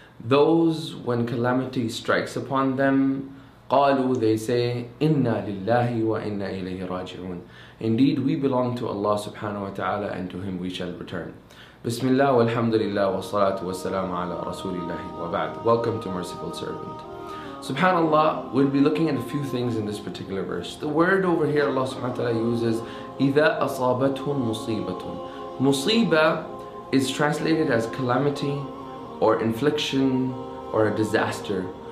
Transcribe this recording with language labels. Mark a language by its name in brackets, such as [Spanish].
[English] Those, when calamity strikes upon them, قالوا, they say, [Arabic] إنا لله وإنا إليه راجعون. [English] Indeed, we belong to Allah subhanahu wa ta'ala and to Him we shall return. [Arabic] بسم الله والحمد لله والصلاة والسلام على رسول الله وبعد. [English] Welcome to Merciful Servant. Subhanallah, we'll be looking at a few things in this particular verse. The word over here Allah subhanahu wa ta'ala uses, [Arabic] إِذَا أَصَابَتْهُمْ مُصِيبَةٌ. [English] Musiba is translated as calamity or infliction or a disaster.